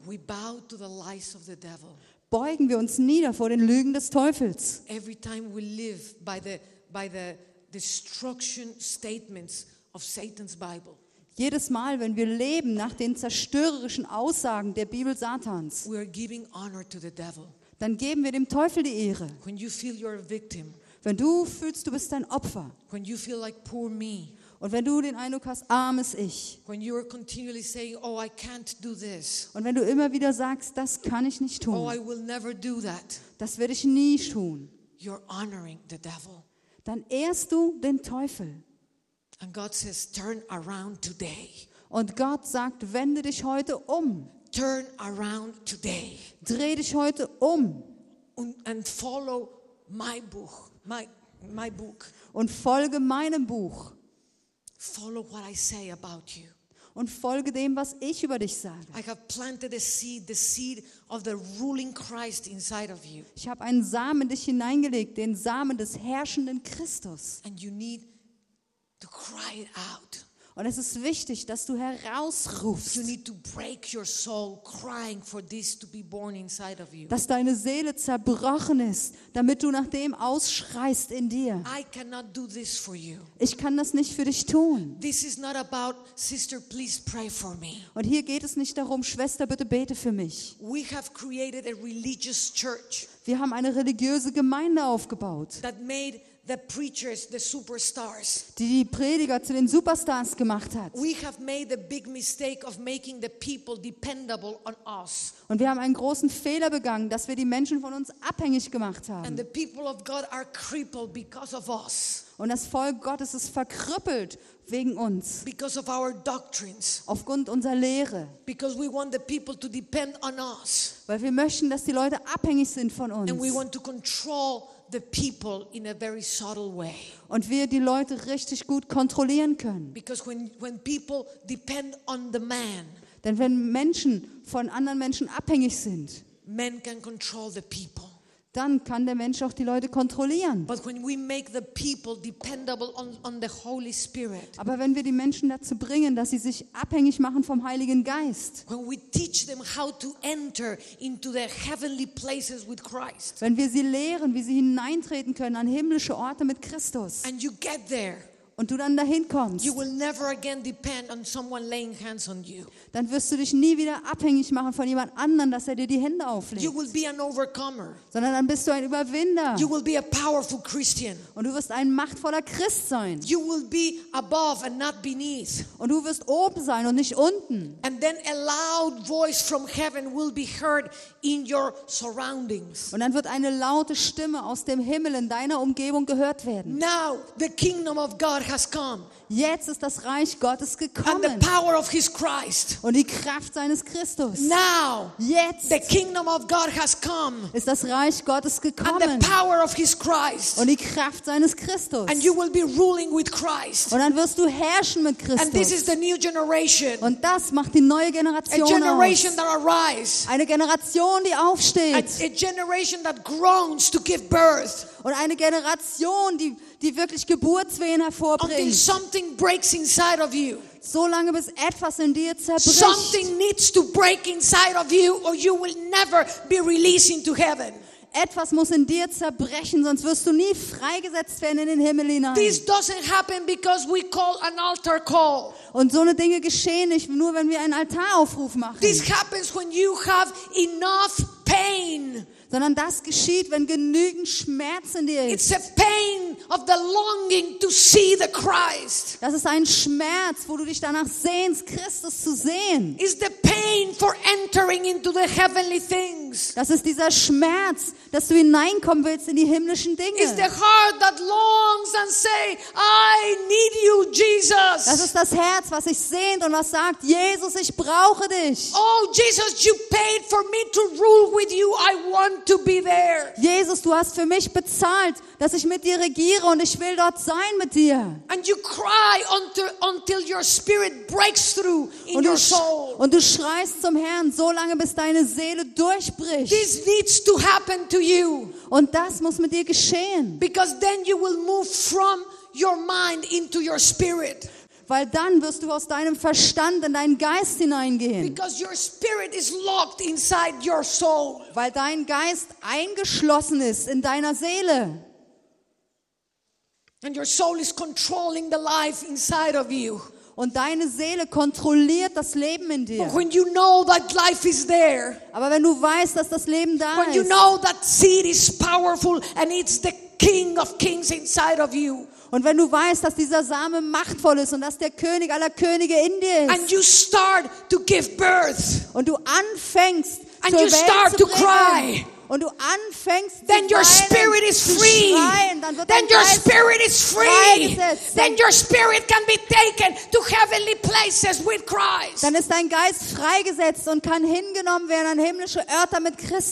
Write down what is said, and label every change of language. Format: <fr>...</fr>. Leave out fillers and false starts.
<en>we bow to the lies of the devil.</en> <de>Beugen wir uns nieder vor den Lügen des Teufels.</de> <en>Every time we live by the destruction statements of Satan's Bible.</en> <de>Jedes Mal, wenn wir leben nach den zerstörerischen Aussagen der Bibel Satans,</de> <en>we are giving honor to the devil.</en> <de>Dann geben wir dem Teufel die Ehre.</de> <en>When you feel you're a victim.</en> <de>Wenn du fühlst, du bist ein Opfer.</de> <en>When you feel like poor me.</en> <de>Und wenn du den Eindruck hast, armes Ich.</de> <en>When you are continually saying, oh, I can't do this.</en> <de>Und wenn du immer wieder sagst, das kann ich nicht tun.</de> <en>Oh, I will never do that.</en> <de>Das werde ich nie tun.</de> <en>You're honoring the devil.</en> <de>Dann ehrst du den Teufel.</de> <en>And God says, turn around today.</en> <de>Und Gott sagt, wende dich heute um.</de> <en>Turn around today.</en> <de>Dreh dich heute um.</de> <en>And follow my book. My book.</en> <de>Und folge meinem Buch.</de> <en>Follow what I say about you.</en> <de>Und folge dem, was ich über dich sage.</de> <en>I have planted a seed, the seed of the ruling Christ inside of you.</en> <de>Ich habe einen Samen in dich hineingelegt, den Samen des herrschenden Christus.</de> <en>And you need to cry it out.</en> <de>Und es ist wichtig, dass du herausrufst.</de> <en>You need to break your soul crying for this to be born inside of you.</en> <de>Dass deine Seele zerbrochen ist, damit du nach dem ausschreist in dir.</de> <en>I cannot do this for you.</en> <de>Ich kann das nicht für dich tun.</de> <en>This is not about sister, please pray for me.</en> <de>Und hier geht es nicht darum, Schwester, bitte bete für mich.</de> <en>We have created a religious church.</en> <de>Wir haben eine religiöse Gemeinde aufgebaut.</de> <en>That made the preachers, the superstars.</en> <de>Die Prediger zu den Superstars gemacht hat.</de> <en>We have made the big mistake of making the people dependable on us.</en> <de>Und wir haben einen großen Fehler begangen, dass wir die Menschen von uns abhängig gemacht haben.</de> <en>And the people of God are crippled because of us.</en> <de>Und das Volk Gottes ist verkrüppelt wegen uns.</de> <en>Because of our doctrines.</en> <de>Aufgrund unserer Lehre.</de> <en>Because we want the people to depend on us.</en> <de>Weil wir möchten, dass die Leute abhängig sind von uns.</de> <en>And we want to control the people in a very subtle way.</en> <de>Und wir die Leute richtig gut kontrollieren können.</de> <en>Because when people depend on the man.</en> <de>Denn wenn Menschen von anderen Menschen abhängig sind.</de> <en>Man can control the people.</en> <de>Dann kann der Mensch auch die Leute kontrollieren.</de> <en>But when we make the people dependable on the Holy Spirit.</en> <de>Aber wenn wir die Menschen dazu bringen, dass sie sich abhängig machen vom Heiligen Geist.</de> <en>When we teach them how to enter into the heavenly places with Christ.</en> <de>Wenn wir sie lehren, wie sie hineintreten können an himmlische Orte mit Christus.</de> <en>And you get there.</en> <de>Und du dann dahin kommst.</de> <en>You will never again depend on someone laying hands on you.</en> <de>Dann wirst du dich nie wieder abhängig machen von jemand anderem, dass er dir die Hände auflegt.</de> <en>You will be an overcomer.</en> <de>Sondern dann bist du ein Überwinder.</de> <en>You will be a powerful Christian.</en> <de>Und du wirst ein machtvoller Christ sein.</de> <en>You will be above and not beneath.</en> <de>Und du wirst oben sein und nicht unten.</de> <en>And then a loud voice from heaven will be heard in your surroundings.</en> <de>Und dann wird eine laute Stimme aus dem Himmel in deiner Umgebung gehört werden.</de> <en>Now the kingdom of God has come.</en> <de>Jetzt ist das Reich Gottes gekommen.</de> <en>And the power of his Christ.</en> <de>Und die Kraft seines Christus.</de> <en>Now.</en> <de>Jetzt.</de> <en>The kingdom of God has come.</en> <de>Ist das Reich Gottes gekommen.</de> <en>And the power of his Christ.</en> <de>Und die Kraft seines Christus.</de> <en>And you will be ruling with Christ.</en> <de>Und dann wirst du herrschen mit Christus.</de> <en>And this is the new generation.</en> <de>Und das macht die neue Generation aus.</de> <en>A generation that arise.</en> <de>Eine Generation, die aufsteht.</de> <en>A generation that groans to give birth.</en> <de>Und eine Generation, die wirklich Geburtswehen hervorbringt.</de> <en>Until something breaks inside of you.</en> <de>So lange, bis etwas in dir zerbricht.</de> <en>Something needs to break inside of you, or you will never be released into heaven.</en> <de>Etwas muss in dir zerbrechen, sonst wirst du nie freigesetzt werden in den Himmel hinein.</de> <en>This doesn't happen because we call an altar call.</en> <de>Und so eine Dinge geschehen nicht nur, wenn wir einen Altaraufruf machen.</de> <en>This happens when you have enough pain.</en> <de>Sondern das geschieht, wenn genügend Schmerz in dir ist.</de> <en>It's a pain of the longing to see the Christ.</en> <de>Das ist ein Schmerz, wo du dich danach sehnst, Christus zu sehen.</de> <en>It's the pain for entering into the heavenly things.</en> <de>Das ist dieser Schmerz, dass du hineinkommen willst in die himmlischen Dinge.</de> <en>It's the heart that longs and say, I need you, Jesus.</en> <de>Das ist das Herz, was sich sehnt und was sagt, Jesus, ich brauche dich.</de> <en>Oh, Jesus, you paid for me to rule with you. I want to be there.</en> <de>Jesus, du hast für mich bezahlt, dass ich mit dir regiere und ich will dort sein mit dir.</de> <en>And you cry until your spirit breaks through in your soul.</en> <de>Und du schreist zum Herrn, so lange bis deine Seele durchbricht.</de> <en>This needs to happen to you.</en> <de>Und das muss mit dir geschehen.</de> <en>Because then you will move from your mind into your spirit.</en> <de>Weil dann wirst du aus deinem Verstand in deinen Geist hineingehen.</de> <en>Because your spirit is locked inside your soul.</en> <de>Weil dein Geist eingeschlossen ist in deiner Seele.</de> <en>And your soul is controlling the life inside of you.</en> <de>Und deine Seele kontrolliert das Leben in dir.</de> <en>But when you know that life is there,</en> <de>aber wenn du weißt, dass das Leben da</de> <en>when</en> <de>ist,</de> <en>you know that seed is powerful and it's the King of Kings inside of you.</en> <de>Und wenn du weißt, dass dieser Same machtvoll ist und dass der König aller Könige in dir ist.</de> <en>And you start to give birth.</en> <de>Und du anfängst zur Welt zu bringen.</de> <en>And you start to cry.</en> <de>Und du anfängst zu weinen.</de> <en>Then your spirit is free. Then your spirit is free. Then your spirit can be taken to heavenly places with Christ.</en> <de>Dann ist dein Geist freigesetzt und kann hingenommen werden an himmlische Orte mit Christus.</de>